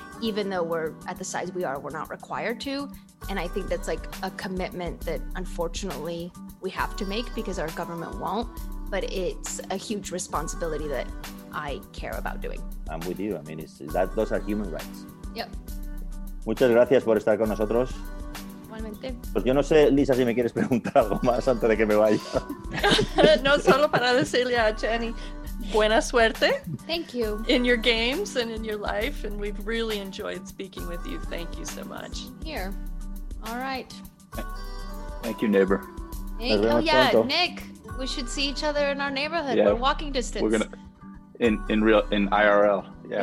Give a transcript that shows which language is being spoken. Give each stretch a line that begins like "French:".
English: Even though we're at the size we are, we're not required to. And I think that's like a commitment that unfortunately we have to make because our government won't. But it's a huge responsibility that I care about doing. I'm with you. I mean, those are human rights. Yep.
Spanish: Muchas gracias por estar con nosotros. Pues yo no sé, Lisa, si me quieres preguntar algo más antes de que me vaya. No, solo para decirle a Jenny, buena suerte.
English: Thank you. In your games and in your life, and we've really enjoyed speaking with you. Thank you so much. Here. All right. Thank you, neighbor. Nick, Nick, we should see each other in our neighborhood. Yeah. We're walking distance. We're gonna in IRL. Yeah.